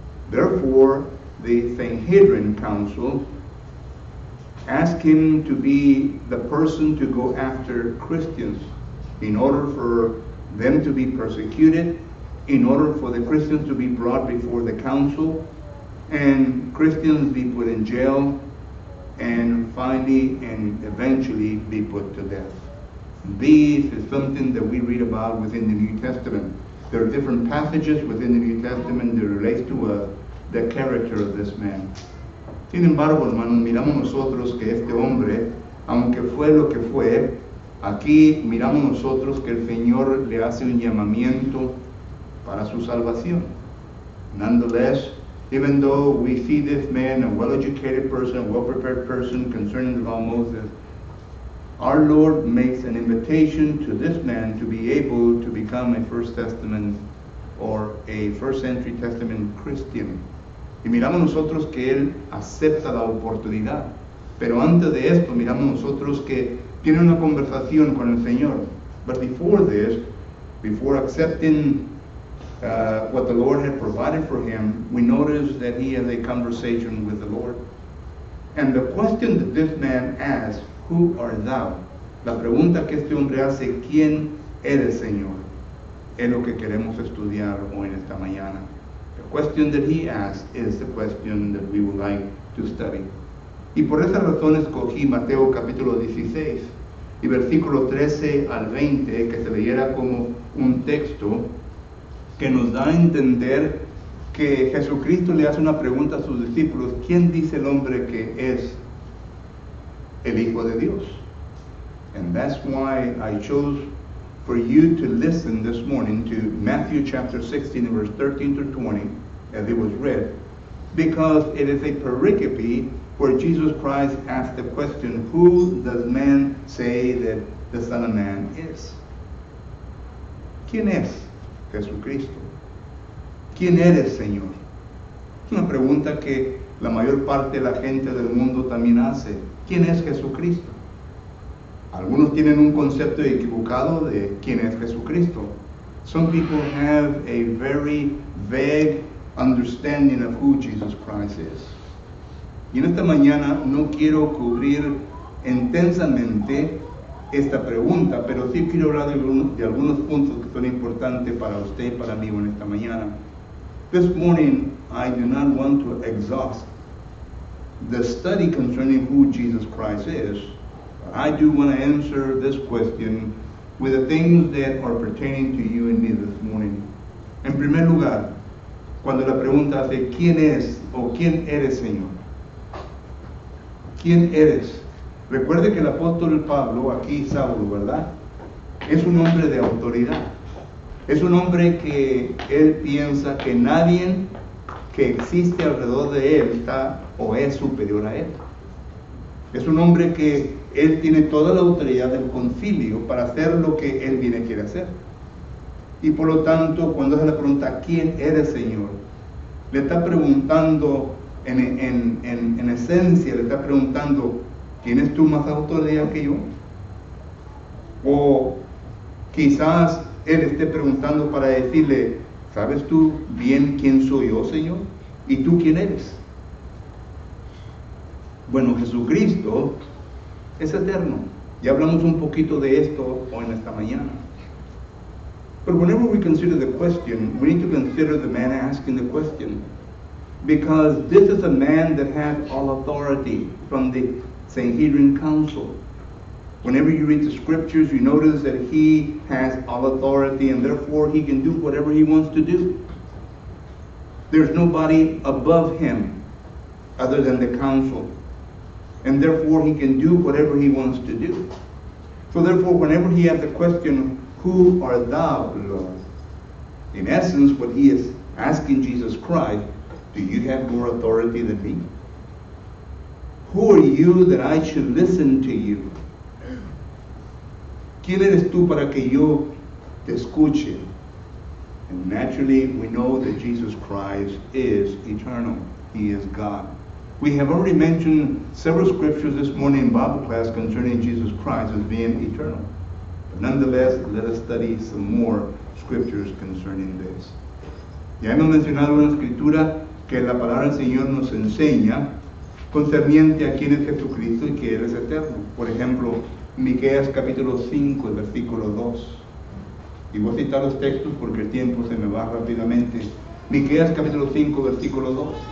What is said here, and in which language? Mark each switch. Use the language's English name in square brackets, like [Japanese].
[English] Therefore, the Sanhedrin council asked him to be the person to go after Christians in order for them to be persecuted, in order for the Christians to be brought before the council, and Christians be put in jail, and finally and eventually be put to death. This is something that we read about within the New Testament. There are different passages within the New Testament that relate to the character of this man. [Spanish] Sin embargo, hermanos, miramos nosotros que este hombre, aunque fue lo que fue, aquí miramos nosotros que el Señor le hace un llamamiento para su salvación. [English] Nonetheless, even though we see this man, a well-educated person, a well-prepared person concerning the law of Moses, our Lord makes an invitation to this man to be able to become a First Testament or a First Century Testament Christian. [Spanish] Y miramos nosotros que él acepta la oportunidad. Pero antes de esto, miramos nosotros que tiene una conversación con el Señor. [English] But before this, before accepting what the Lord had provided for him, we notice that he has a conversation with the Lord. And the question that this man asks, who are thou? [Spanish] La pregunta que este hombre hace, ¿quién eres, Señor? Es lo que queremos estudiar hoy en esta mañana. [English] The question that he asks is the question that we would like to study. [Spanish] Y por esa razón escogí Mateo capítulo 16 y versículo 13 al 20, que se leyera como un texto que nos da a entender que Jesucristo le hace una pregunta a sus discípulos: ¿quién dice el hombre que es el Hijo de Dios? [English] And that's why I chose for you to listen this morning to Matthew chapter 16, verse 13 to 20, as it was read, because it is a pericope where Jesus Christ asked the question, who does man say that the Son of Man is? [Spanish] ¿Quién es Jesucristo? ¿Quién eres, Señor? Es una pregunta que la mayor parte de la gente del mundo también hace. ¿Quién es Jesucristo? Algunos tienen un concepto equivocado de quién es Jesucristo. [English] Some people have a very vague understanding of who Jesus Christ is. [Spanish] Y en esta mañana no quiero cubrir intensamente esta pregunta, pero sí quiero hablar de algunos puntos que son importantes para usted y para mí en esta mañana. [English] This morning, I do not want to exhaust the study concerning who Jesus Christ is. I do want to answer this question with the things that are pertaining to you and me this morning. [Spanish] En primer lugar, cuando la pregunta hace, ¿quién es o quién eres, Señor? ¿Quién eres? Recuerde que el apóstol Pablo, aquí Saulo, ¿verdad? Es un hombre de autoridad. Es un hombre que él piensa que nadie que existe alrededor de él está o es superior a él. Es un hombre que él tiene toda la autoridad del concilio para hacer lo que él viene a querer hacer. Y por lo tanto, cuando se le pregunta, ¿quién eres, Señor? Le está preguntando, en esencia, le está preguntando, ¿tienes tú más autoridad que yo? O quizás él esté preguntando para decirle, ¿sabes tú bien quién soy yo, Señor? ¿Y tú quién eres? Bueno, Jesucristo es eterno. Ya hablamos un poquito de esto hoy en esta mañana. [English] But whenever we consider the question, we need to consider the man asking the question. Because this is a man that had all authority from the Sanhedrin Council. Whenever you read the scriptures, you notice that he has all authority and therefore he can do whatever he wants to do. There's nobody above him other than the council. And therefore he can do whatever he wants to do. So therefore, whenever he has the question, who are thou, Lord? In essence, what he is asking Jesus Christ, do you have more authority than me? Who are you that I should listen to you? [Spanish] ¿Quién eres tú para que yo te escuche? [English] And naturally, we know that Jesus Christ is eternal. He is God. We have already mentioned several scriptures this morning in Bible class concerning Jesus Christ as being eternal. Nonetheless, let us study some more scriptures concerning this. [Spanish] Ya hemos mencionado una escritura que la palabra del Señor nos enseña concerniente a quién es Jesucristo y que Él es eterno. Por ejemplo, Miqueas capítulo 5, versículo 2. Y voy a citar los textos porque el tiempo se me va rápidamente. Miqueas capítulo 5, versículo 2.